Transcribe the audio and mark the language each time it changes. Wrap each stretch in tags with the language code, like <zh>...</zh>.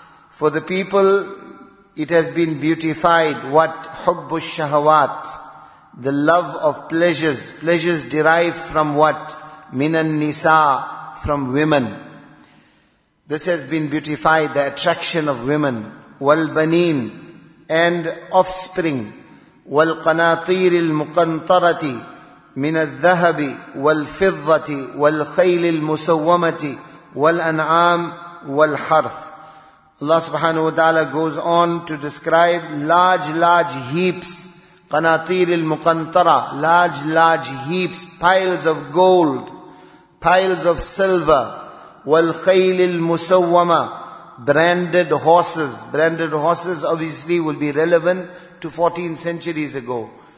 <en>For the people, it has been beautified. What?</en> <ar>حُبُّ الشَّهَوَاتِ.</ar> <en>The love of pleasures. Pleasures derived from what?</en> <ar>مِنَ النِّسَاءِ.</ar> <en>From women. This has been beautified, the attraction of women.</en> <ar>وَالْبَنِينَ.</ar> <en>and offspring.</en> <ar>والقناطير المقنطرة من الذهب والفضة والخيل المسومة والأنعام والحرث.</ar> <en>Allah subhanahu wa ta'ala goes on to describe large heaps, qanatir al-muqantara, large heaps, piles of gold, piles of silver, wal-khayl al-musawwama, branded horses obviously will be relevant to 14 centuries ago.</en>